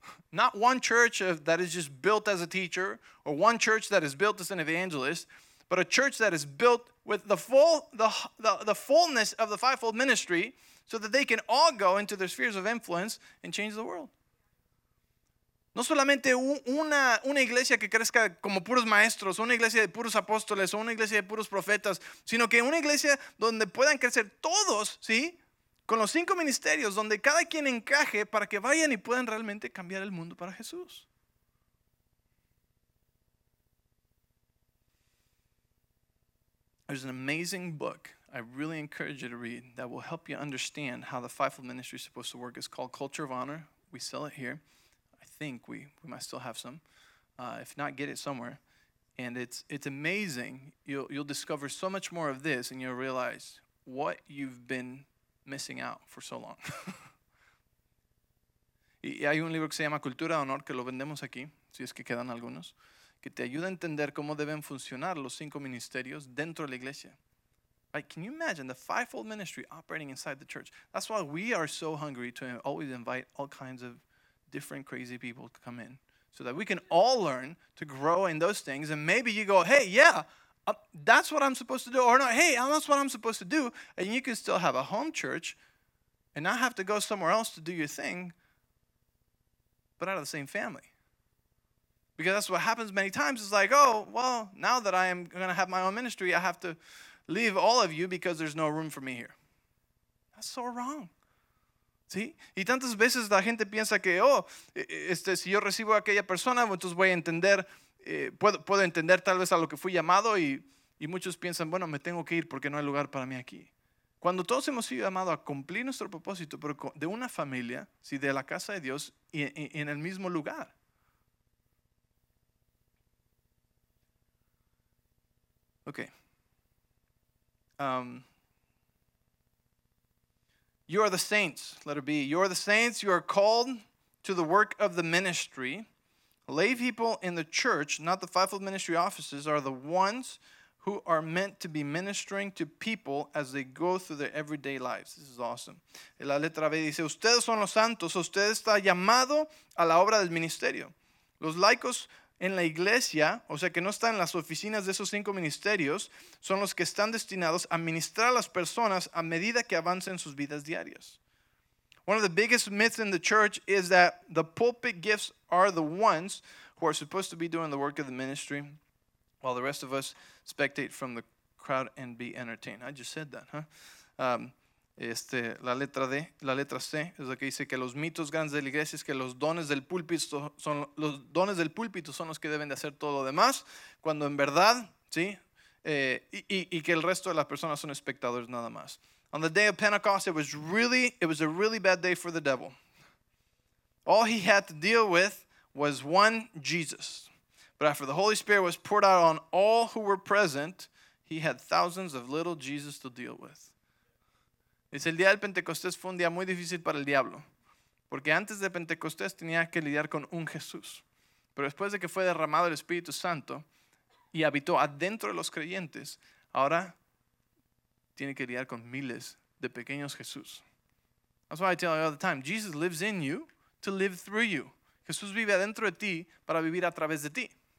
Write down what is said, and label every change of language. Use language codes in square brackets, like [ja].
[en] Not one church that is just built as a teacher or one church that is built as an evangelist, but a church that is built with the fullness of the fivefold ministry so that they can all go into their spheres of influence and change the world. [es] No solamente una iglesia que crezca como puros maestros, una iglesia de puros apóstoles, una iglesia de puros profetas, sino que una iglesia donde puedan crecer todos, ¿sí? Con los cinco ministerios, donde cada quien encaje para que vayan y puedan realmente cambiar el mundo para Jesús. [en] There's an amazing book I really encourage you to read that will help you understand how the fivefold ministry is supposed to work. It's called Culture of Honor. We sell it here. I think we might still have some. If not, get it somewhere. And it's amazing. You'll discover so much more of this and you'll realize what you've been missing out for so long. [es] Y hay un libro que se llama Cultura de Honor que lo vendemos aquí, si es que quedan algunos, que te ayuda a entender cómo deben funcionar los cinco ministerios dentro de la iglesia. [en] Like, can you imagine the fivefold ministry operating inside the church? That's why we are so hungry to always invite all kinds of different crazy people to come in so that we can all learn to grow in those things. And maybe you go, hey, yeah, that's what I'm supposed to do. Or not, hey, that's what I'm supposed to do. And you can still have a home church and not have to go somewhere else to do your thing, but out of the same family. Because that's what happens many times. It's like, oh, well, now that I am going to have my own ministry, I have to leave all of you because there's no room for me here. That's so wrong. ¿Sí? [es] Y tantas veces la gente piensa que, si yo recibo a aquella persona, entonces voy a entender, puedo entender tal vez a lo que fui llamado y muchos piensan, bueno, me tengo que ir porque no hay lugar para mí aquí. Cuando todos hemos sido llamados a cumplir nuestro propósito, pero de una familia, ¿sí? De la casa de Dios y en el mismo lugar. Ok. [en] You are the saints, letter B. You are the saints, you are called to the work of the ministry. Lay people in the church, not the fivefold ministry offices, are the ones who are meant to be ministering to people as they go through their everyday lives. This is awesome. [es] La letra B dice, ustedes son los santos, usted está llamado a la obra del ministerio. Los laicos en la iglesia, o sea que no están en las oficinas de esos cinco ministerios, son los que están destinados a ministrar a las personas a medida que avancen sus vidas diarias. [en] One of the biggest myths in the church is that the pulpit gifts are the ones who are supposed to be doing the work of the ministry while the rest of us spectate from the crowd and be entertained. I just said that, huh? [es] La letra C es la que dice que los mitos grandes de la iglesia es que los dones del púlpito son los que deben de hacer todo lo demás, cuando en verdad, ¿sí? Y que el resto de las personas son espectadores nada más. [en] On the day of Pentecost, it was a really bad day for the devil. All he had to deal with was one Jesus. But after the Holy Spirit was poured out on all who were present, he had thousands of little Jesus to deal with. [es] Dice, el día del Pentecostés fue un día muy difícil para el diablo. Porque antes de Pentecostés tenía que lidiar con un Jesús. Pero después de que fue derramado el Espíritu Santo y habitó adentro de los creyentes, ahora tiene que lidiar con miles de pequeños Jesús. [en] That's why I tell you all the time, Jesus lives in you to live through you. [es] Jesús vive adentro de ti para vivir a través de ti.